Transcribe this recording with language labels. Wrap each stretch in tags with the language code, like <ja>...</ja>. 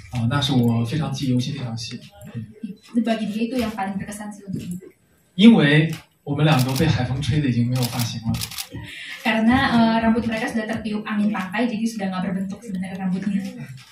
<zh>那是我非常记忆犹新的一场戏。</zh> <id>Bagi dia itu yang paling berkesan sih untuk hidup.</id> <zh>因为 我们两个被海风吹的已经没有发型了。</zh> <id>Karena rambut mereka sudah tertiup angin pantai, jadi sudah nggak berbentuk sebenarnya rambutnya.</id>